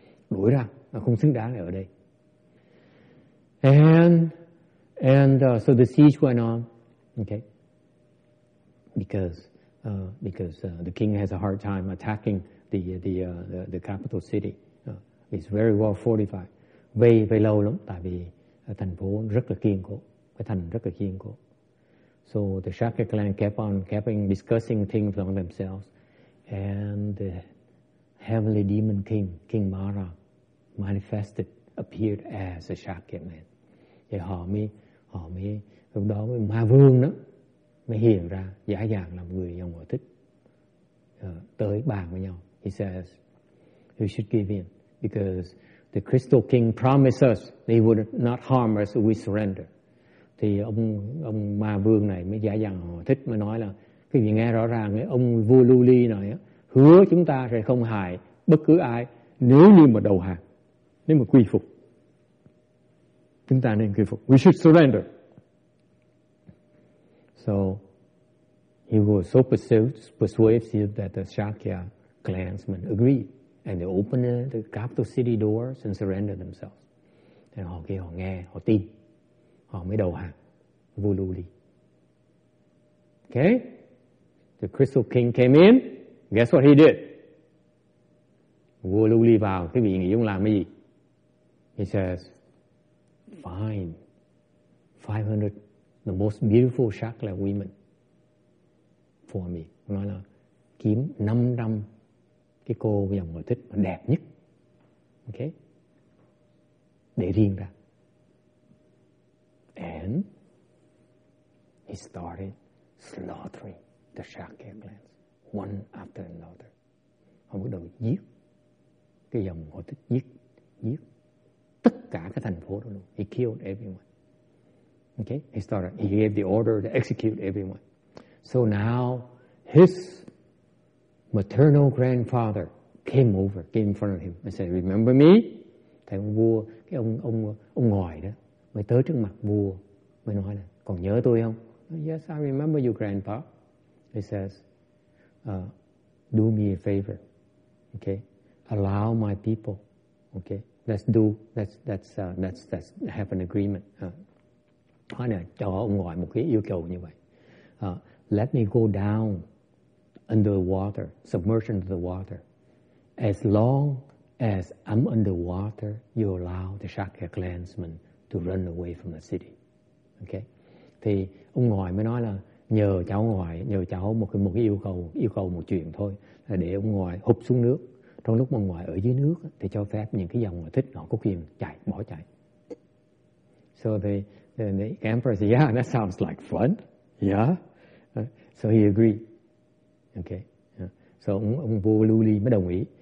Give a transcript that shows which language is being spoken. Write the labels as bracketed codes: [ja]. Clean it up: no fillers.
[vi] Đuổi ra. Nó không xứng đáng ở đây. [en] And so the siege went on. Okay? Because the king has a hard time attacking the capital city. It's very well fortified. [vi] Vây lâu lắm, tại vì thành phố rất là kiên cố, cái thành rất là kiên cố. [en] So the Shakya clan kept on discussing things among themselves, and the heavenly demon king Mara manifested, appeared as a Shakya man. [vi] Thì họ mới lúc đó mới ma vương đó mới hiện ra giả dạng là người dòng họ Thích, tới bàn với nhau. [en] He says you should give in because the crystal king promised us they would not harm us if we surrender. [vi] Thì ông ma vương này mới giả dạng họ Thích mới nói là cái gì, nghe rõ ràng ấy, ông vua Lưu Ly này hứa chúng ta sẽ không hại bất cứ ai nếu như mà đầu hàng, nếu mà quy phục. Chúng ta nên quy phục. [en] We should surrender. So he was so persuasive that the Shakya clansmen agreed. And they opened the capital city doors and surrendered themselves. [vi] Thì họ kia họ nghe, họ tin. Họ mới đầu hàng. Vua Lưu Ly. Okay? [en] The crystal king came in. Guess what he did? [vi] Vua Lưu Ly vào. Thế vị nghĩ ông làm cái gì? [en] He says, fine. 500 the most beautiful Shakya women for me. [vi] Nói là kiếm 500 cái cô dòng họ Thích mà đẹp nhất. Okay? Để riêng ra. [en] And he started slaughtering the Shakya clans one after another. [vi] Họ bắt đầu giết cái dòng họ Thích, giết tất cả cái thành phố đó luôn. [en] He killed everyone. Okay? He started, he gave the order to execute everyone. So now his maternal grandfather came over, came in front of him and said, remember me? [vi] Thầy ông vua, cái ông ngoài đó, mới tới trước mặt vua, mới nói là, còn nhớ tôi không? [en] Yes, I remember you, grandpa. He says, do me a favor, okay? Allow my people, okay? Let's have an agreement. [vi] Nói là cho ông ngoại một cái yêu cầu như vậy. [en] Let me go down under the water, submerge under the water. As long as I'm underwater, you allow the Shakya clansmen to run away from the city. Okay? [vi] Thì ông ngoại mới nói là nhờ cháu một cái yêu cầu một chuyện thôi, là để ông ngoại hụp xuống nước. Trong lúc mà ngoại ở dưới nước thì cho phép những cái dòng mà Thích nó có quyền chạy, bỏ chạy. [en] So the emperor said, yeah, that sounds like fun. Yeah. So he agreed. Okay. [vi] So ông vua Lưu Ly mới đồng ý.